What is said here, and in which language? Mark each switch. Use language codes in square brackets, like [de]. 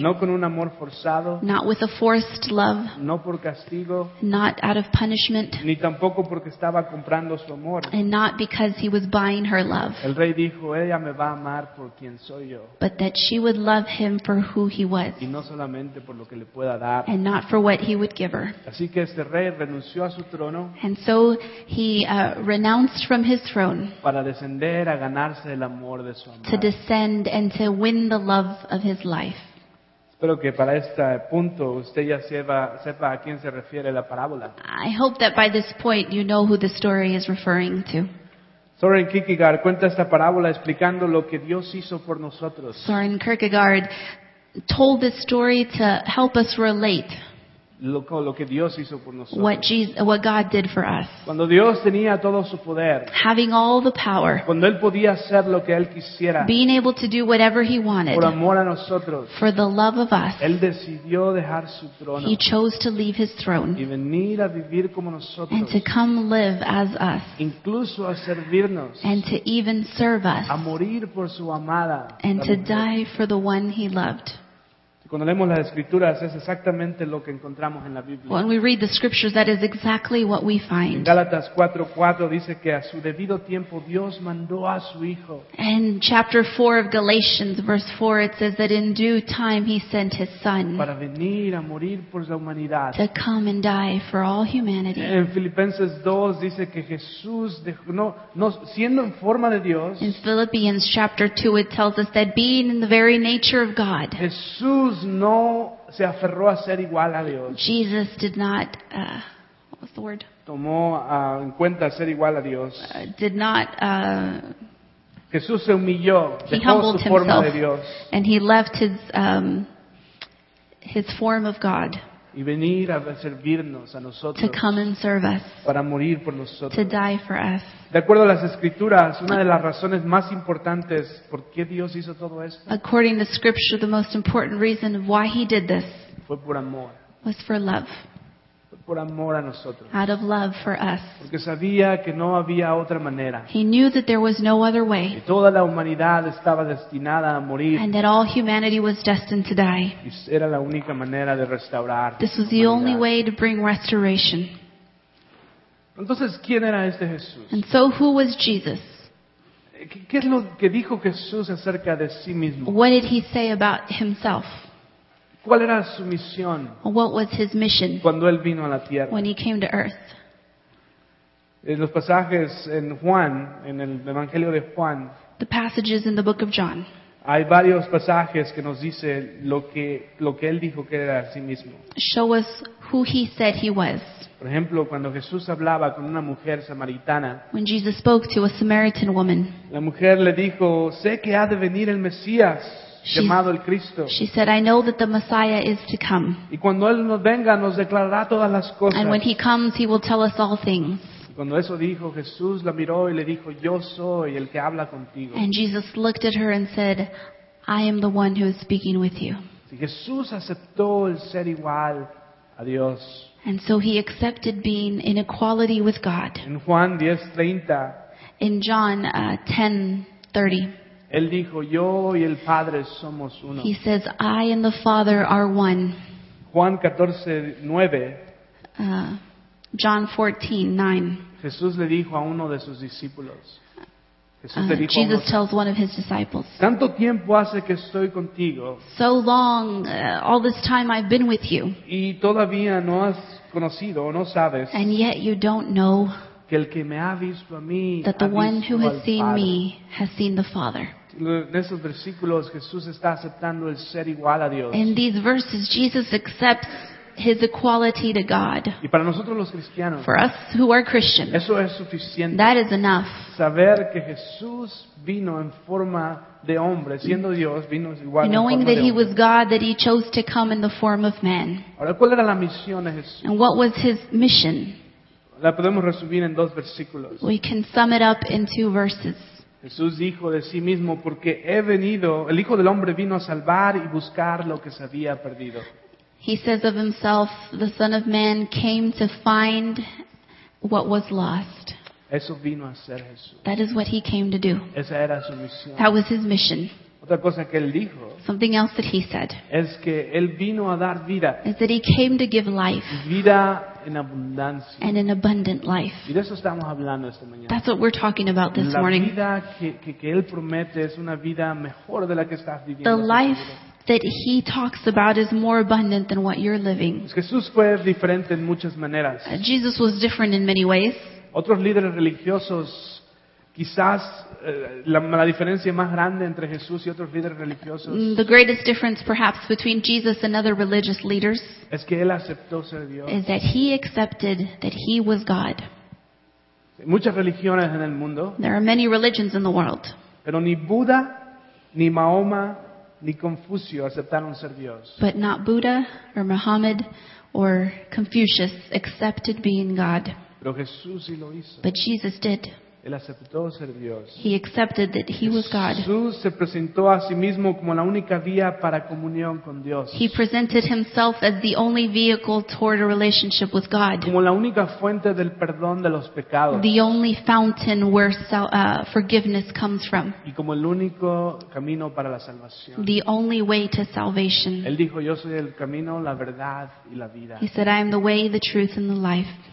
[es] No con un amor forzado. [en] Not with a forced love. [es] No por castigo. [en] Not out of punishment. [es] Ni tampoco porque estaba comprando su amor. [en] And not because he was buying her love. [es] El rey dijo, ella me va a amar por quien soy yo. [en] But that she would love him for who he was. [es] Y no solamente por lo que le pueda dar. [en] And not for what he would give her. [es] Así que este rey renunció a su trono. [en] And so he renounced from his throne. [es] Para descender a ganarse el amor de su amada. [en] To descend and to win the love of his life. [es] Espero que para este punto usted ya sepa a quién se refiere la parábola. [en] I hope that by this point you know who the story is referring to. [es] Soren Kierkegaard cuenta esta parábola explicando lo que Dios hizo por nosotros. [en] Soren Kierkegaard told this story to help us relate [es] lo que Dios hizo por nosotros. [en] What God did for us. [es] Cuando Dios tenía todo su poder. [en] Having all the power. [es] Cuando él podía hacer lo que él quisiera. [en] Being able to do whatever he wanted. [es] Por amor a nosotros. [en] For the love of us. [es] Él decidió dejar su trono. [en] He chose to leave his throne. [es] Y venir a vivir como nosotros. [en] And to come live as us. [es] Incluso a servirnos. [en] And to even serve us. [es] A morir por su amada. [en] And to die for the one he loved. [es] Cuando leemos las escrituras es exactamente lo que encontramos en la Biblia. [en] When we read the scriptures, that is exactly what we find. [es] En Gálatas 4:4 dice que a su debido tiempo Dios mandó a su hijo. [en] In chapter 4 of Galatians verse 4 it says that in due time he sent his son. [es] Para venir a morir por la humanidad. [en] To come and die for all humanity. [es] En Filipenses 2 dice que Jesús no siendo en forma de Dios. [en] In Philippians chapter 2 it tells us that being in the very nature of God. [es] Jesús no se aferró a ser igual a Dios. [en] Jesus did not what was the word? [es] Tomó en cuenta ser igual a Dios. [en] Did not [es] Jesús se humilló, dejó [en] he humbled [es] su forma [en] himself, [es] de Dios. [en] And he left his form of God. [es] Y venir a servirnos a nosotros. [en] To come and serve us. [es] Para morir por nosotros. [en] To die for us. [es] De acuerdo a las escrituras, una de las razones más importantes por qué Dios hizo todo esto. [en] According to scripture, the most important reason why he did this. [es] Fue por amor. [en] Was for love. [es] Por amor a nosotros. [en] Out of love for us. [es] Porque sabía que no había otra manera. [en] He knew that there was no other way. [es] Que toda la humanidad estaba destinada a morir. [en] And that all humanity was destined to die. [es] Y era la única manera de restaurar. [en] This was the only way to bring restoration. [es] Entonces, ¿quién era este Jesús? [en] And so, who was Jesus? [es] ¿Qué es lo que dijo Jesús acerca de sí mismo? [en] What did he say about himself? [es] ¿Cuál era su misión? [en] What was his mission? [es] Cuando él vino a la tierra. [en] When he came to earth. [es] En los pasajes en Juan, en el Evangelio de Juan. [en] The passages in the book of John. [es] Hay varios pasajes que nos dice lo que él dijo que era a sí mismo. [en] Show us who he said he was. [es] Por ejemplo, cuando Jesús hablaba con una mujer samaritana, [en] when Jesus spoke to a Samaritan woman, [es] la mujer le dijo, sé que ha de venir el Mesías. [en] She said, I know that the Messiah is to come. [es] Y cuando él venga, nos declarará todas las cosas. [en] And when he comes, he will tell us all things. [es] Cuando eso dijo, Jesús la miró y le dijo, yo soy el que habla contigo. [en] And Jesus looked at her and said, I am the one who is speaking with you. [es] Si Jesús aceptó el ser igual a Dios. [en] And so he accepted being in equality with God. [es] En Juan 10:30. [en] In John 10:30. [es] Él dijo, yo y el Padre somos uno. [en] He says, I and the Father are one. [es] Juan 14:9. [en] John 14:9. [es] Jesús le dijo a uno de sus discípulos. [en] Jesus tells one of his disciples. [es] Tanto tiempo hace que estoy contigo. [en] So long, all this time I've been with you. [es] Y todavía no has conocido o no sabes. [en] And yet you don't know. [es] Que el que me ha visto a mí, [en] that the one who has seen me has seen the Father. [es] En esos versículos, Jesús está aceptando el ser igual a Dios. [en] In these verses, Jesus accepts his equality to God. [es] Y para nosotros los cristianos, [en] for us who are Christians, [es] eso es suficiente. [en] That is enough. [es] Saber que Jesús vino en forma de hombre, siendo Dios, vino igual. [en] Knowing that he was God, that he chose to come in the form of man. [es] Ahora, ¿cuál era la misión de Jesús? [en] And what was his mission? [es] La podemos resumir en dos versículos. [en] We can sum it up in two verses. [es] Jesús dijo de sí mismo, porque he venido, el Hijo del Hombre vino a salvar y buscar lo que se había perdido. [en] He says of himself, the Son of Man came to find what was lost. [es] Eso vino a ser Jesús. [en] That is what he came to do. [es] Esa era su misión. [en] That was his mission. [es] Otra cosa que él dijo, [en] something else that he said, [es] es que él vino a dar vida, [en] is that he came to give life, [es] vida en abundancia, [en] and an abundant life. [es] Y de eso estamos hablando esta mañana. [en] That's what we're talking about this morning. [es] La vida que él promete es una vida mejor de la que estás viviendo. [en] The life that he talks about is more abundant than what you're living. [es] Jesús fue diferente en muchas maneras. [en] Jesus was different in many ways. [es] Otros líderes religiosos, quizás la diferencia más grande entre Jesús y otros líderes religiosos, [en] the greatest difference perhaps between Jesus and other religious leaders, [es] es que él aceptó ser Dios, [en] is that he accepted that he was God. [es] Muchas religiones en el mundo, [en] there are many religions in the world, [es] pero ni Buda, ni Mahoma, ni Confucio aceptaron ser Dios. [en] But not Buddha or Muhammad or Confucius accepted being God. [es] Pero Jesús sí lo hizo. [en] But Jesus did. [es] Él aceptó ser Dios. [en] He accepted that he was God. [es] Jesús se presentó a sí mismo como la única vía para comunión con Dios. [en] He presented himself as the only vehicle toward a relationship with God. [es] Como la única fuente del perdón de los pecados. [en] The only fountain where forgiveness comes from. [es] Y como el único camino para la salvación. [en] The only way to salvation. [es] Él dijo, yo soy el camino, la verdad y la vida. [en] He said, I am the way, the truth, and the life.